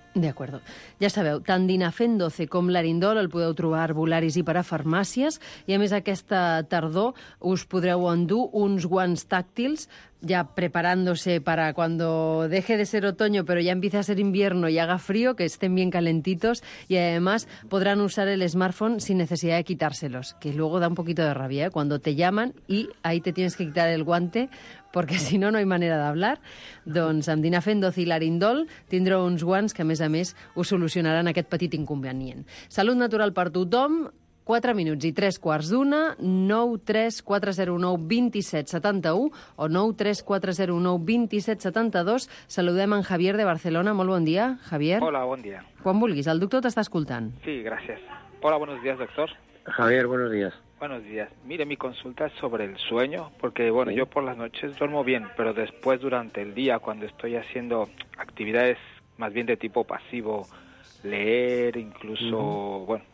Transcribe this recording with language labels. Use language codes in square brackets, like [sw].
[es] De acuerdo. [ca] Ja sabeu, tant Dinafen 12 com Larindol el podeu trobar a arbolaris i per a farmàcies, i a més aquesta tardor us podreu endur uns guants tàctils [es] ja preparándose para cuando deje de ser otoño, pero ya empiece a ser invierno y haga frío, que estén bien calentitos, y además podrán usar el smartphone sin necesidad de quitárselos, que luego da un poquito de rabia, ¿eh? Cuando te llaman y ahí te tienes que quitar el guante, porque si no, no hay manera de hablar. [ca] Doncs amb Dinafen 12 i Larindol tindrà uns guants que, a més, us solucionaran aquest petit inconvenient. Salut natural per tothom. 4 minuts i 3 quarts d'una, 93-409-2771 o 93-409-2772. Saludem en Javier de Barcelona. Molt bon dia, Javier. Hola, bon dia. Quan vulguis, el doctor t'està escoltant. Sí, gràcies. [es] Hola, buenos días, doctor. Javier, buenos días. Buenos días. Mire, mi consulta es sobre el sueño, porque, bueno, sí. Yo por las noches duermo bien, pero después, durante el día, cuando estoy haciendo actividades más bien de tipo pasivo, leer, incluso, uh-huh.